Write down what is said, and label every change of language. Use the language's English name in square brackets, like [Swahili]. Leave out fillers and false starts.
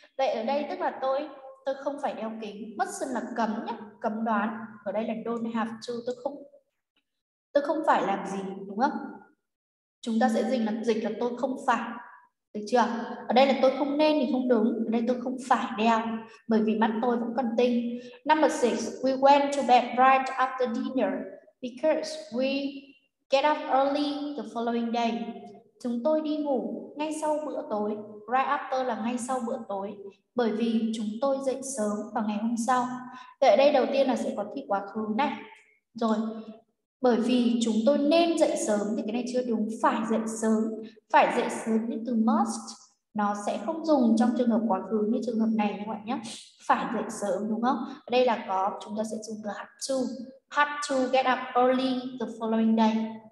[Vietnamese] Vậy ở đây tức là tôi không phải đeo kính. Mustn't là cấm nhé, cấm đoán. Ở đây là [English] don't have to. [Vietnamese] Tôi không phải làm gì, đúng không? Chúng ta sẽ dịch là tôi không phải. Được chưa? Ở đây là tôi không nên thì không đúng. Ở đây tôi không phải đeo bởi vì mắt tôi vẫn còn tinh. [English] Number six, we went to bed right after dinner because we get up early the following day. [Vietnamese] Chúng tôi đi ngủ ngay sau bữa tối. Right after là ngay sau bữa tối bởi vì chúng tôi dậy sớm vào ngày hôm sau. Vậy ở đây đầu tiên là sẽ có thi quá khứ này. Rồi, Bởi vì chúng tôi nên dậy sớm thì cái này chưa đúng, phải dậy sớm. Phải dậy sớm như từ must nó sẽ không dùng trong trường hợp quá khứ như trường hợp này các bạn nhé. Phải dậy sớm đúng không? Ở đây là có, chúng ta sẽ dùng từ have to. [English] Have to get up early the following day.